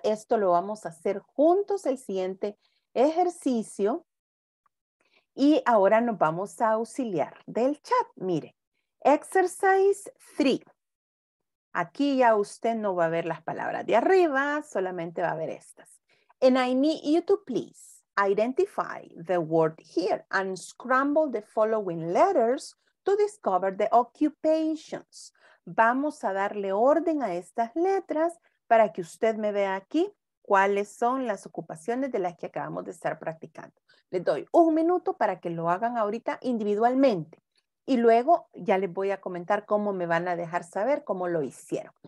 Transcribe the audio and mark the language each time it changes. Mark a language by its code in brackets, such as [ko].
[es] Esto lo vamos a hacer juntos el siguiente ejercicio. Y ahora nos vamos a auxiliar del chat. Mire, exercise 3. Aquí ya usted no va a ver las palabras de arriba, solamente va a ver estas. [en] And I need you to please identify the word here and scramble the following letters to discover the occupations. [es] Vamos a darle orden a estas letras para que usted me vea aquí cuáles son las ocupaciones de las que acabamos de estar practicando. Les doy un minuto para que lo hagan ahorita individualmente. Y luego ya les voy a comentar cómo me van a dejar saber cómo lo hicieron.